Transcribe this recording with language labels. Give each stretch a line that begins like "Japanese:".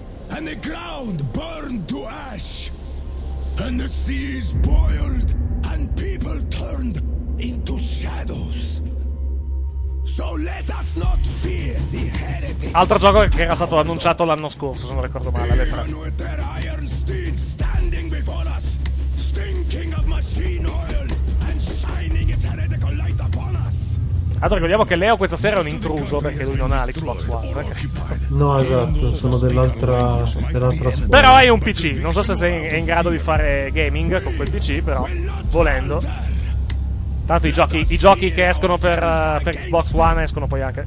English: And the ground burned to ash, and the seas boiled, and people turned into shadows. So let us not fear the heretics.
Italian: Altro gioco che era stato annunciato l'anno scorso, se non ricordo male, le tre.
English: With their iron steeds standing before us, stinking of machine oil and shining its heretical light upon us.
Italian: Allora, ricordiamo che Leo questa sera è un intruso perché lui non ha l'Xbox One. No, esatto, sono dell'altra squadra. Però è un PC, non so se è in grado di fare gaming con quel PC, però volendo. Tanto i giochi che escono per Xbox One escono poi anche.